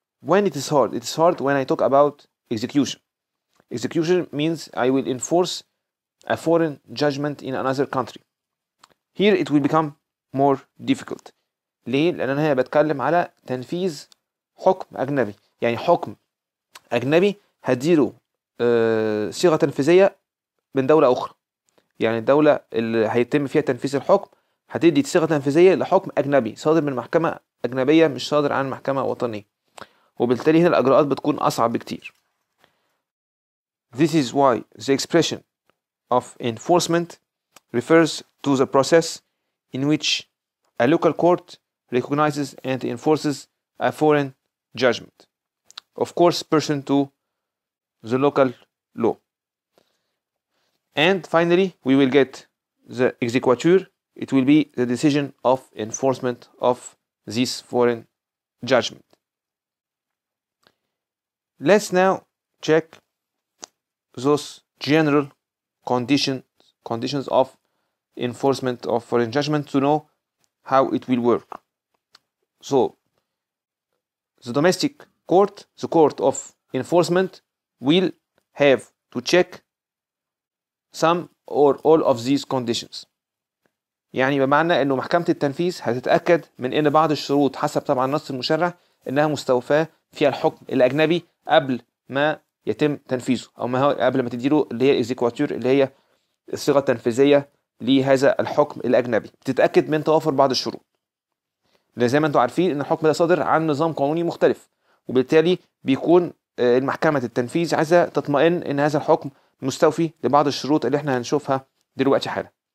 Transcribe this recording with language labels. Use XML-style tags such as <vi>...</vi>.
<en>When it is hard when I talk about execution. Execution means I will enforce a foreign judgment in another country. Here it will become more difficult.</en> <ar>ليه؟ لأن أنا بتكلم على تنفيذ حكم أجنبي، يعني حكم أجنبي هديله صيغة تنفيذية من دولة أخرى، يعني الدولة اللي هيتم فيها تنفيذ الحكم هتدي صيغة تنفيذية لحكم أجنبي صادر من محكمة أجنبية مش صادر عن محكمة وطنية، وبالتالي هنا الأجراءات بتكون أصعب بكتير.</ar> <en>This is why the expression of enforcement refers to the process in which a local court recognizes and enforces a foreign judgment, of course pursuant to the local law. And finally, we will get the exequatur. It will be the decision of enforcement of this foreign judgment. Let's now check those general conditions of enforcement of foreign judgment to know how it will work. So, the domestic court, the court of enforcement, will have to check some or all of these conditions.</en> <ar>يعني بمعنى انه محكمة التنفيذ هتتأكد من ان بعض الشروط حسب طبعا النص المشرع انها مستوفاة في الحكم الاجنبي قبل ما يتم تنفيذه، او ما هو قبل ما تديله اللي هي الاكزيكواتور اللي هي الصيغة التنفيذية لهذا الحكم الاجنبي، بتتأكد من توافر بعض الشروط، لان زي ما انتم عارفين ان الحكم ده صادر عن نظام قانوني مختلف، وبالتالي بيكون المحكمة التنفيذ عايزة تطمئن ان هذا الحكم مستوفي لبعض الشروط اللي احنا هنشوفها دلوقتي حالا.</ar>